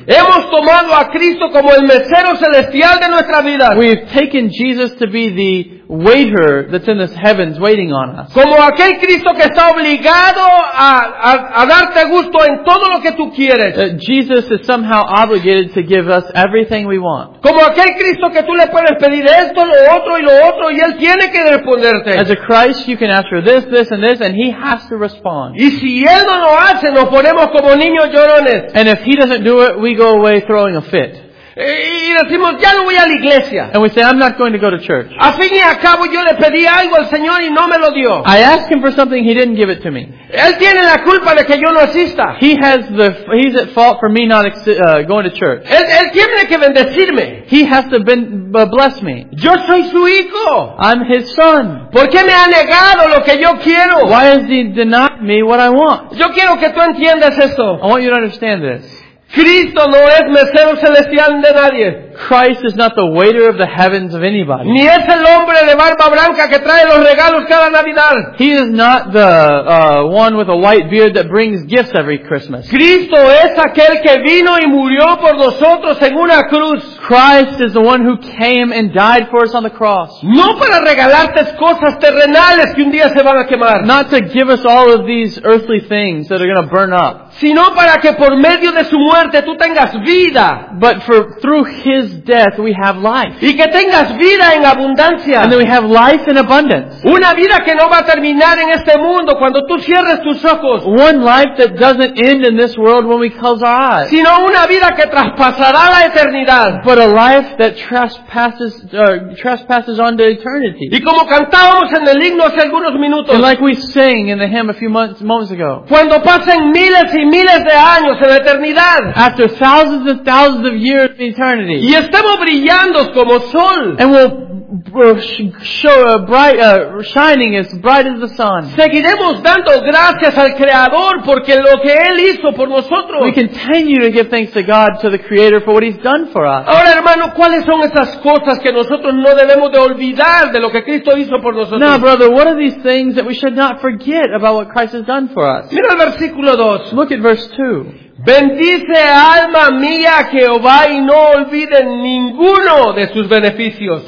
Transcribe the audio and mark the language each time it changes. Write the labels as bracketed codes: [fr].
[es] Hemos tomado a Cristo como el mesero celestial de nuestra vida. [en] We've taken Jesus to be the waiter that's in the heavens waiting on us. [es] Como aquel Cristo que está obligado a darte gusto en todo lo que tú quieres. [en] Jesus is somehow obligated to give us everything we want. [es] Como aquel Cristo que tú le puedes pedir esto, lo otro y él tiene que responderte. [en] As a Christ, you can ask for this, this, and this, and he has to respond. [es] Y si él no lo hace, nos ponemos como niños llorones. [en] And if he doesn't do it, we go away throwing a fit. [es] Y decimos, ya no voy a la iglesia. [en] And we say, I'm not going to go to church. [es] A fin y a cabo, yo le pedí algo al Señor y no me lo dio. [en] I asked him for something, he didn't give it to me. [es] Él tiene la culpa de que yo no asista. [en] He's at fault for me not going to church. [es] Él tiene que bendecirme. [en] He has to bless me. [es] Yo soy su hijo. [en] I'm his son. [es] ¿Por qué me ha negado lo que yo quiero? [en] Why has he denied me what I want? [es] Yo quiero que tú entiendas esto. [en] I want you to understand this. [es] Cristo no es mesero celestial de nadie. [en] Christ is not the waiter of the heavens of anybody. [es] Ni es el hombre de barba blanca que trae los regalos cada Navidad. [en] He is not the one with a white beard that brings gifts every Christmas. [es] Cristo es aquel que vino y murió por nosotros en una cruz. [en] Christ is the one who came and died for us on the cross. [es] No para regalarte cosas terrenales que un día se van a quemar. [en] Not to give us all of these earthly things that are going to burn up. [es] Sino para que por medio de su muerte tú tengas vida. [en] But through his death we have life. [es] Y que tengas vida en abundancia. [en] And then we have life in abundance. [es] Una vida que no va a terminar en este mundo cuando tú cierres tus ojos. [en] One life that doesn't end in this world when we close our eyes. [es] Sino una vida que traspasará la eternidad. [en] But a life that trespasses onto eternity. [es] Y como cantábamos en el himno hace algunos minutos. [en] And like we sang in the hymn a few moments ago. [es] Cuando pasen miles y miles de años en la eternidad. [en] After thousands and thousands of years in eternity. [es] Y estemos brillando como sol. [en] And we'll show a bright, shining as bright as the sun. [es] Seguiremos dando gracias al Creador porque lo que Él hizo por nosotros. [en] We continue to give thanks to God, to the Creator, for what He's done for us. [es] Ahora, hermano, ¿cuáles son esas cosas que nosotros no debemos de olvidar de lo que Cristo hizo por nosotros? [en] Now, brother, what are these things that we should not forget about what Christ has done for us? [es] Mira el versículo 2. [en] Look at verse 2. [es] Bendice alma mía Jehová y no olvide ninguno de sus beneficios.